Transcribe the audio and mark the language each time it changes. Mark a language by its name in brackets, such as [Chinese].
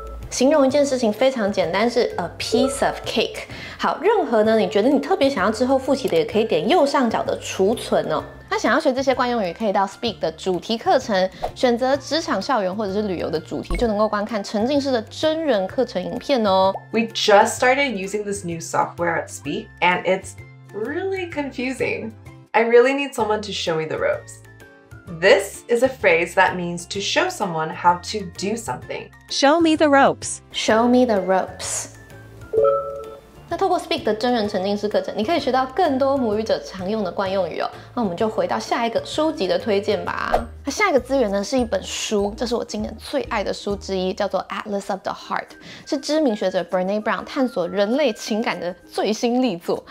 [Chinese] 形容一件事情非常简单，是 [English] a piece of cake。 [Chinese] 好，任何呢你觉得你特别想要之后复习的也可以点右上角的储存哦。那想要学这些惯用语可以到 speak 的主题课程，选择职场、校园或者是旅游的主题，就能够观看沉浸式的真人课程影片哦。 [English] We just started using this new software at speak and it'sReally confusing. I really need someone to show me the ropes. This is a phrase that means to show someone how to do something. Show me the ropes. Show me the ropes. [Chinese] 那透过 Speak 的真人沉浸式课程，你可以学到更多母语者常用的惯用语哦。那我们就回到下一个书籍的推荐吧。下一个资源呢是一本书，这是我今年最爱的书之一，叫做 Atlas of the Heart， 是知名学者 Brené Brown 探索人类情感的最新力作。